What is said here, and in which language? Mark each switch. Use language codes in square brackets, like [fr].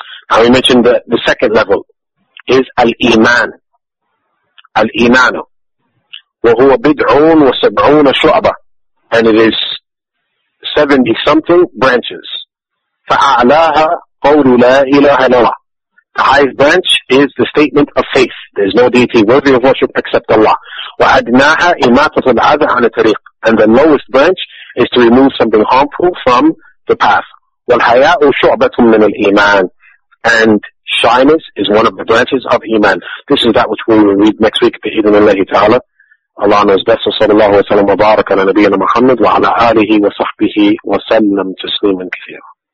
[en] Now we mentioned the second level is Al-Iman. [ar] الإيمان وهو بدعون وسبعون شعبة [en] and it is 70 something branches [ar] فأعلاها قول لا إله إلا الله. [en] The highest branch is the statement of faith. There is no deity worthy of worship except Allah. [ar] وأدناها إماتة العذى عن الطريق [en] and the lowest branch is to remove something harmful from the path. [ar] والحياء شعبة من الإيمان [en] and shyness is one of the branches of Iman. This is that which we will read next week. [ar] بِإِذْنِ اللَّهِ تَعَالَى [en] Allah knows best. [ar] صلى الله وسلم وبارك على نبينا محمد وعلى آله وصحبه وسلم تسليما كثيرا.